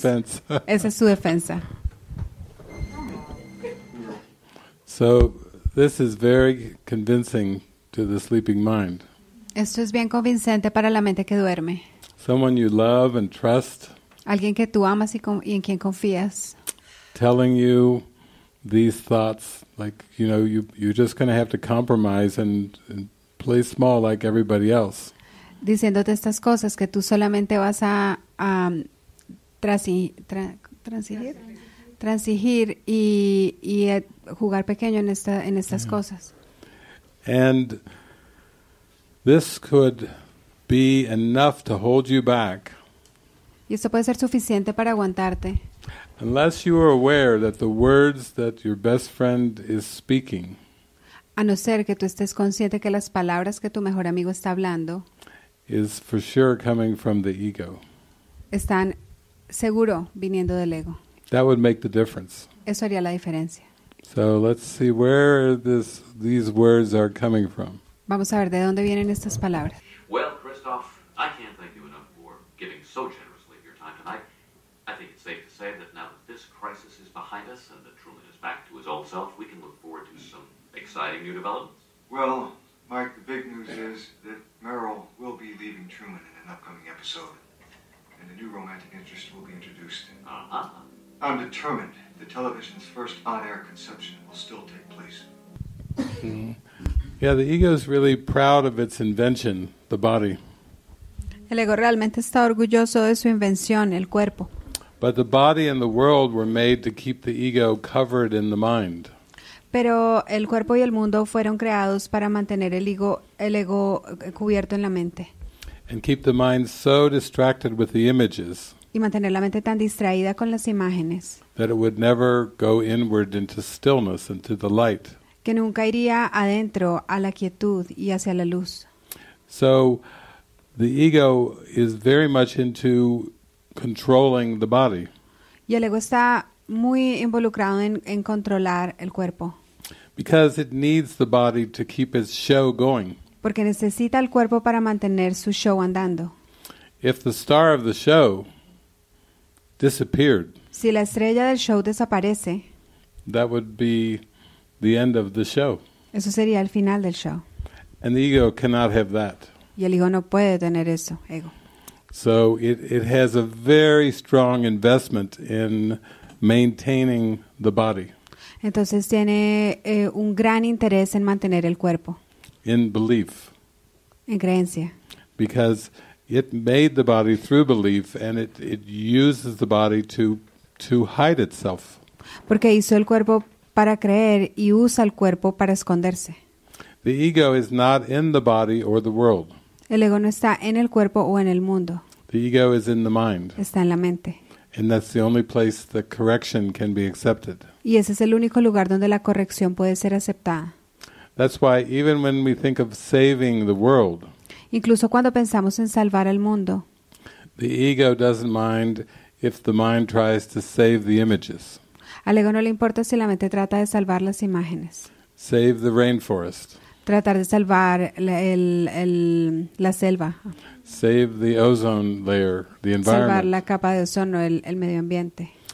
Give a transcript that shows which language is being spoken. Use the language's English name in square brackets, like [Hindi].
[English] That's his defense. [Spanish] Esa es su defensa. [English] So this is very convincing to the sleeping mind. [Spanish] Esto es bien convincente para la mente que duerme. [English] Someone you love and trust. [Spanish] Alguien que tú amas y en quien confías. [English] Telling you these thoughts, like, you know, you're just going to have to compromise and play small like everybody else. [Spanish] Diciéndote estas cosas que tú solamente vas a transigir y jugar pequeño en estas yeah. cosas. [English] And this could be enough to hold you back. [Spanish] Y esto puede ser suficiente para aguantarte. [English] Unless you are aware that the words that your best friend is speaking. [Spanish] A no ser que tú estés consciente que las palabras que tu mejor amigo está hablando. [English] Is for sure coming from the ego. [Spanish] Están seguro viniendo del ego. [English] That would make the difference. [Spanish] Eso haría la diferencia. [English] So let's see where these words are coming from. [Spanish] Vamos a ver de dónde vienen estas palabras. [English] Well, Christoph, I can't thank you enough for giving so generously of your time tonight. I think it's safe to say that now that this crisis is behind us and that Truman is back to his old self, we can look forward to some exciting new developments. Well, Mike, the big news is that Merrill will be leaving Truman in an upcoming episode, and a new romantic interest will be introduced. Uh-huh. I'm determined the television's first on-air conception will still take place. Yeah, the ego is really proud of its invention, the body. [Spanish] El ego realmente está orgulloso de su invención, el cuerpo. [English] But the body and the world were made to keep the ego covered in the mind. [Spanish] Pero el cuerpo y el mundo fueron creados para mantener el ego cubierto en la mente. [English] And keep the mind so distracted with the images. [Spanish] Y mantener la mente tan distraída con las imágenes. [English] That it would never go inward into stillness and to the light. [Spanish] Que nunca iría adentro a la quietud y hacia la luz. [English] So the ego is very much into controlling the body. [Spanish] Y el ego está muy involucrado en controlar el cuerpo. [English] Because it needs the body to keep its show going. [Spanish] Porque necesita el cuerpo para mantener su show andando. [English] If the star of the show disappeared. [Spanish] Si la estrella del show desaparece. [English] That would be the end of the show. [Spanish] Eso sería el final del show. [English] And the ego cannot have that. [Spanish] Y el ego no puede tener eso, ego. [English] So it has a very strong investment in maintaining the body. [Spanish] Entonces tiene un gran interés en mantener el cuerpo. [English] In belief. [Spanish] En creencia. [English] Because it made the body through belief and it uses the body to hide itself. [Spanish] Porque hizo el cuerpo para creer y usa el cuerpo para esconderse. [English] The ego is not in the body or the world. [Spanish] El ego no está en el cuerpo o en el mundo. [English] The ego is in the mind. [Spanish] Está en la mente. [English] And that's the only place the correction can be accepted. [Spanish] Y ese es el único lugar donde la corrección puede ser aceptada. [English] That's why even when we think of saving the world, [Spanish] incluso cuando pensamos en salvar el mundo, [English] the ego doesn't mind if the mind tries to save the images. [Spanish] Al ego no le importa si la mente trata de salvar las imágenes. [English] Save the rainforest. [Spanish] Tratar de salvar la selva. [English] Save the ozone layer, the environment. [Spanish] Salvar la capa de ozono, el medio ambiente.